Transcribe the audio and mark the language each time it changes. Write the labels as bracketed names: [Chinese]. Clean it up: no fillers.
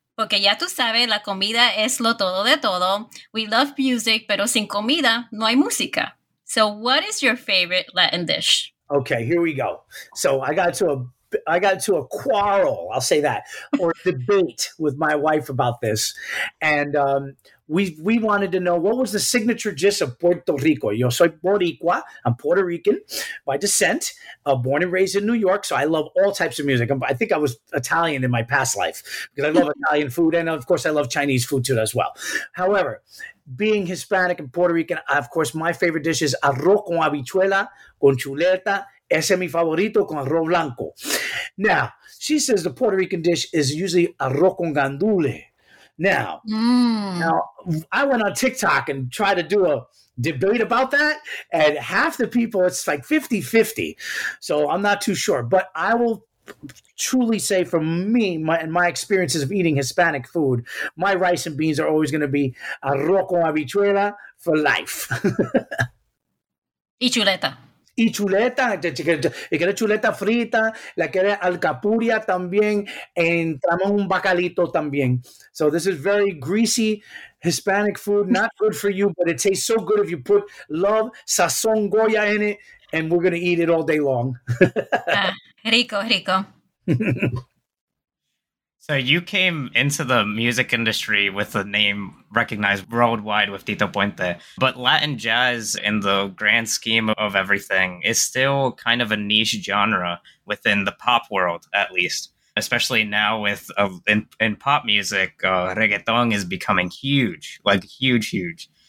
[Spanish] Porque ya tú sabes, la comida es lo todo de todo. [English] We love music, [Spanish] pero sin comida no hay música. [English] So what is your favorite Latin dish? Okay, here we go. So I got to a quarrel, I'll say that, or debate with my wife about this. And we wanted to know, what was the signature dish of Puerto Rico? [Spanish] Yo soy boricua. [English] I'm Puerto Rican by descent, born and raised in New York. So I love all types of music. I think I was Italian in my past life because I love Italian food. And of course, I love Chinese food too as well. However, being Hispanic and Puerto Rican, of course, my favorite dish is arroz con habichuela, con chuleta. [Spanish] Ese es mi favorito con arroz blanco. [English] Now, she says the Puerto Rican dish is usually arroz con gandules. Now, I went on TikTok and tried to do a debate about that. And half the people, it's like 50-50. So I'm not too sure. But I will truly say, for me and my experiences of eating Hispanic food, my rice and beans are always going to be arroz con habichuela for life. [Spanish] Y chuleta. Y quiere chuleta frita, la quiere alcapurria también, entramos un bacalito también. [English] So this is very greasy Hispanic food, not good for you, but it tastes so good if you put love, sazón Goya in it, and we're going to eat it all day long. [Spanish] rico. [English] So you came into the music industry with a name recognized worldwide with Tito Puente, but Latin jazz in the grand scheme of everything is still kind of a niche genre within the pop world, at least, especially now with in pop music, reggaeton is becoming huge, like huge, huge.